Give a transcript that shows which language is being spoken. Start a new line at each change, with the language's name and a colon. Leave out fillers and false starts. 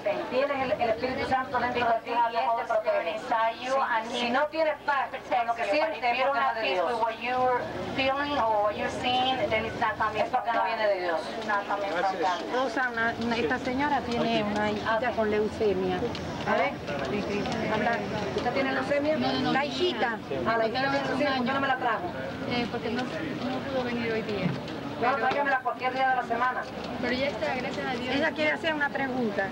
Spanish: Tienes el Espíritu Santo dentro de ti y Él te protege. Si no tienes paz con lo que sientes, es problema de Dios.
English: Feeling or what you're seeing, then it's not coming from God.
Spanish: Rosa, esta señora tiene una hijita con leucemia. ¿Vale? ¿Usted tiene leucemia? No, no, no. La hijita. No, la hijita tiene leucemia. ¿Por qué no me la trajo? Porque no pudo venir hoy día. Pero, no, tráigamela cualquier día de la semana. Pero ya está, gracias a Dios. Ella quiere hacer una pregunta.